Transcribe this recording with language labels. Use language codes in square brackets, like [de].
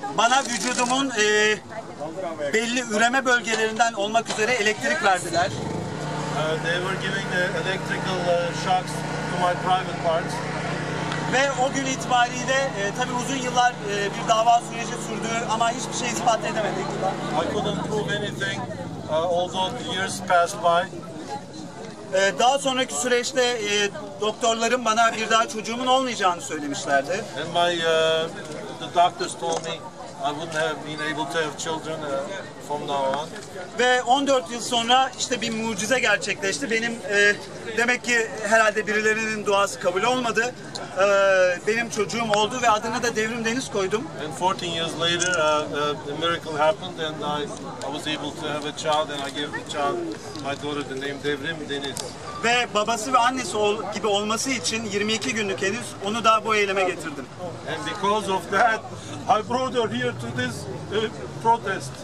[tr] Bana vücudumun belli üreme bölgelerinden olmak üzere elektrik verdiler. [en] They were giving the electrical shocks to my private parts. [tr] Ve o gün itibariyle tabii uzun yıllar bir dava süreci sürdü ama hiçbir şey ispat edemedik. [en] I couldn't prove anything, although the years passed by. [tr] Daha sonraki süreçte doktorlarım bana bir daha çocuğumun olmayacağını söylemişlerdi. [en] And my the doctors told me I wouldn't have been able to have children from now on. [tr] Ve 14 yıl sonra işte bir mucize gerçekleşti. Benim demek ki herhalde birilerinin duası kabul olmadı. Benim çocuğum oldu ve adını da Devrim Deniz koydum. [en] And 14 years later a miracle happened and I was able to have a child and I gave the child my daughter the name Devrim Deniz. [tr] Ve babası ve annesi gibi olması için 22 günlük henüz onu da bu eyleme getirdim. [en] And because of that I brought her here to this protest.